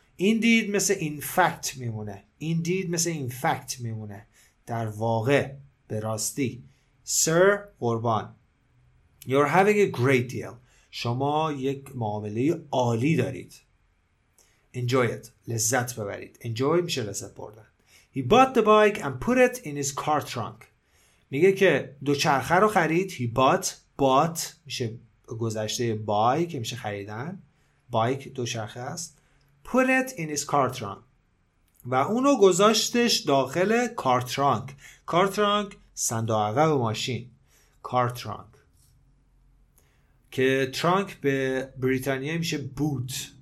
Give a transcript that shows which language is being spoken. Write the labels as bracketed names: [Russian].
[Persian] indeed مثل in fact میمونه، indeed مثل in fact میمونه، در واقع به راستی. sir قربان [English] you're having a great deal [Persian] شما یک معامله عالی دارید. [English] enjoy it [Persian] لذت ببرید. enjoy میشه لذت بردن. [English] he bought the bike and put it in his car trunk. [Persian] میگه که دوچرخه رو خرید. [English] he bought [Persian] میشه گذشته بای که میشه خریدن، بایک دو شرخه است. [English] put it in his car trunk [Persian] و اونو گذاشتش داخل [English] car trunk. [Persian] car trunk صندوق عقب ماشین، car trunk که trunk به بریتانیا میشه boot.